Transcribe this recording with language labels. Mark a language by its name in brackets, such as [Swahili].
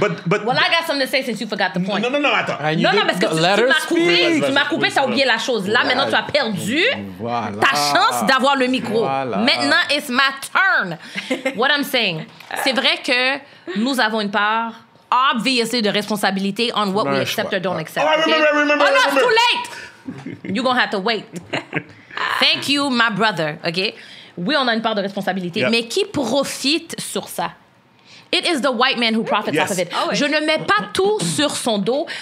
[English] Well, I got something to say since you forgot the point. No, no, no, attends. [French] Non, non, parce que tu m'as coupé, t'as oublié la chose. Là, maintenant, tu as perdu ta chance d'avoir le micro. Maintenant, [English] it's my turn. What I'm saying, [French] c'est vrai que nous avons une part. [English] Obviously, [French] de responsabilité [English] on what we accept or don't accept. Oh, okay? I remember. Oh, no, it's too late. You're going to have to wait. Thank you, my brother. Okay? [French] Oui, on a une part de responsabilité. Yep. Mais qui profite sur ça? [English] It is the white man who profits off of it. Always. [French] Je ne mets pas tout sur son dos.